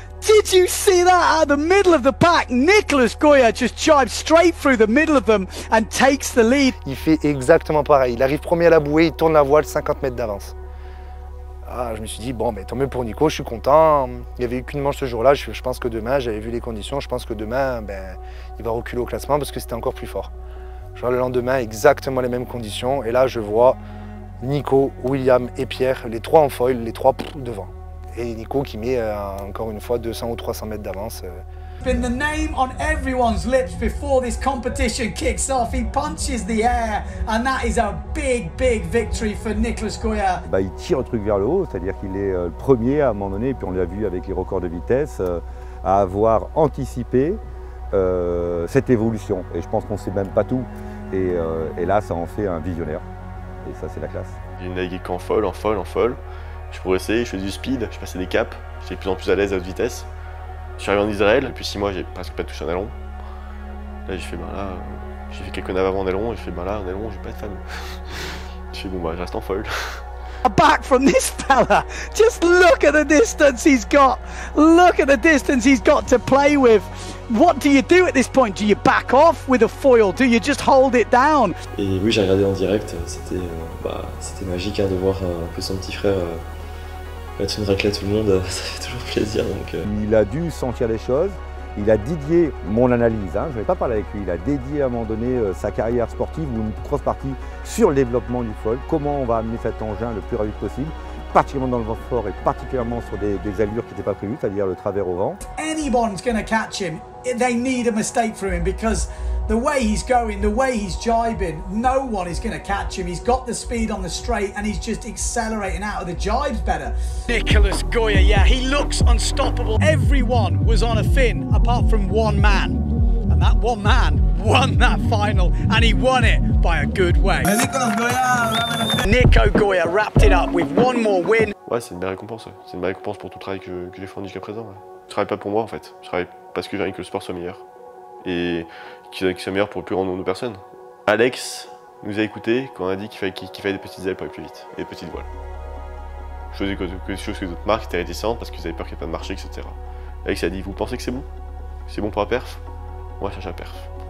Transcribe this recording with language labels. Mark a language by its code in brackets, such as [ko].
[en] Did you see that at the middle of the pack? Nicolas Goya just jibes straight through the middle of them and takes the lead. [fr] Il fait exactement pareil. Il arrive premier à la bouée, il tourne la voile 50 mètres d'avance. Ah, je me suis dit, bon, mais tant mieux pour Nico, je suis content. Il n'y avait eu qu'une manche ce jour-là. Je pense que demain, j'avais vu les conditions, je pense que demain, il va reculer au classement parce que c'était encore plus fort. Je vois le lendemain, exactement les mêmes conditions. Et là, je vois Nico, William et Pierre, les trois en foil, les trois devant. Et Nico qui met encore une fois 200 ou 300 mètres d'avance. [en] Been the name on everyone's lips before this competition kicks off. He punches the air and that is a big, big victory for Nicolas Goya. [fr] Il tire un truc vers le haut, c'est-à-dire qu'il est le premier à un moment donné, et puis on l'a vu avec les records de vitesse, à avoir anticipé cette évolution. Et je pense qu'on ne sait même pas tout. Et là, ça en fait un visionnaire. Et ça, c'est la classe. J'ai navigué qu'en folle, en folle, en folle. Je progressais, je faisais du speed, je passais des caps, j'étais de plus en plus à l'aise à haute vitesse. Je suis arrivé en Israël, depuis 6 mois, j'ai presque pas touché un aileron. Là, j'ai fait, j'ai fait quelques navets avant d'aileron, et j'ai fait, un aileron, j'ai pas de fan. J'ai fait, je reste en folle. [en] Back from this fella! Just look at the distance he's got! Look at the distance he's got to play with! What do you do at this point? Do you back off with a foil? Do you just hold it down? [fr] Et oui, j'ai regardé en direct, c'était c'était magique hein, de voir un peu son petit frère. Mettre une raclée à tout le monde, ça fait toujours plaisir. Donc. Il a dû sentir les choses, il a dédié mon analyse, hein, je ne vais pas parler avec lui, il a dédié à un moment donné sa carrière sportive ou une grosse partie sur le développement du foil, comment on va amener cet engin le plus rapide possible, particulièrement dans le vent fort et particulièrement sur des allures qui n'étaient pas prévues, c'est-à-dire le travers au vent. [en] Anyone's gonna catch him, they need a mistake from him because the way he's going, the way he's jibing, no one is gonna catch him. He's got the speed on the straight and he's just accelerating out of the jibes better. Nicolas Goya, yeah, he looks unstoppable. Everyone was on a fin apart from one man. And that one man won that final and he won it by a good way. Nico Goya wrapped it up with one more win. [fr] Ouais, c'est une belle récompense. Ouais. C'est une belle récompense pour tout le travail que j'ai fourni jusqu'à présent. Ouais. Je travaille pas pour moi en fait. Je travaille parce que j'ai envie que le sport soit meilleur. Et qu'il soit meilleur pour le plus grand nombre de personnes. Alex nous a écoutés quand on a dit qu'il fallait des petites ailes pour aller plus vite, et des petites voiles. Chose que d'autres marques étaient réticentes parce qu'ils avaient peur qu'il n'y ait pas de marché, etc. Alex a dit, vous pensez que c'est bon? C'est bon pour la perf? On va chercher la perf.